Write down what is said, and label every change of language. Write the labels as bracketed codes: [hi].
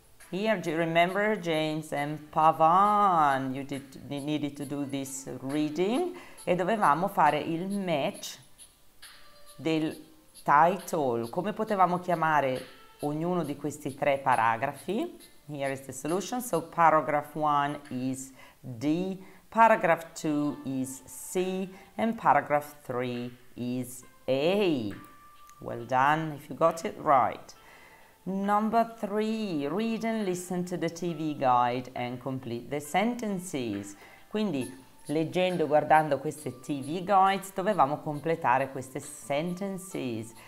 [en] Here, do you remember James M. Pavan? You needed to do this reading. [it] E dovevamo fare il match del title. Come potevamo chiamare ognuno di questi tre paragrafi? [en] Here is the solution. So paragraph 1 is D, paragraph 2 is C, and paragraph 3 is A. Well done if you got it right. Number three, read and listen to the TV guide and complete the sentences. [it] Quindi, leggendo, guardando queste TV guides, dovevamo completare queste sentences.